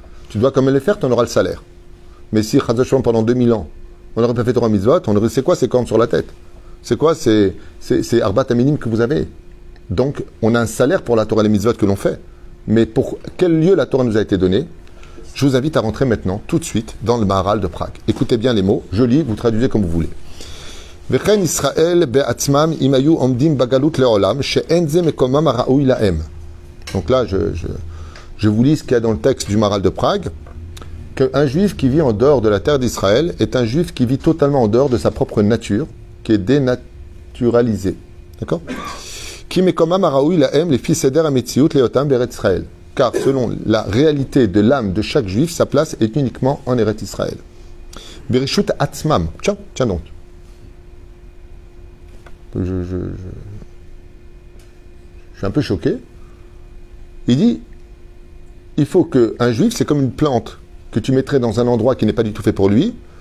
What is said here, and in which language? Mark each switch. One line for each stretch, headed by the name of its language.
French: Tu dois quand même les faire, tu en auras le salaire. Mais si Chaz Veshalom pendant 2000 ans, on n'aurait pas fait trois Mitzvot, on aurait. C'est quoi ces cornes sur la tête? C'est quoi c'est Arbat Aminim que vous avez? Donc, on a un salaire pour la Torah et les Mitzvot que l'on fait. Mais pour quel lieu la Torah nous a été donnée? Je vous invite à rentrer maintenant, tout de suite, dans le Maharal de Prague. Écoutez bien les mots, je lis, vous traduisez comme vous voulez.
Hebrew: וכן ישראל בעצמם אם היו עומדים בגלות לעולם שאין זה מקומם הראוי להם.
French: Donc là, je vous lis ce qu'il y a dans le texte du Maharal de Prague, qu'un juif qui vit en dehors de la terre d'Israël est un juif qui vit totalement en dehors de sa propre nature, qui est dénaturalisée. D'accord?
Hebrew: כי מקומם הראוי להם לפי סדר המציאות להיותם בארץ ישראל.
French: Car selon la réalité de l'âme de chaque juif, sa place est uniquement en Eretz Israël.
Hebrew: ברשות עצמם.
French: Tiens donc. Je suis un peu choqué. Il dit, il faut qu'un juif, c'est comme une plante que tu mettrais dans un endroit qui n'est pas du tout fait pour lui.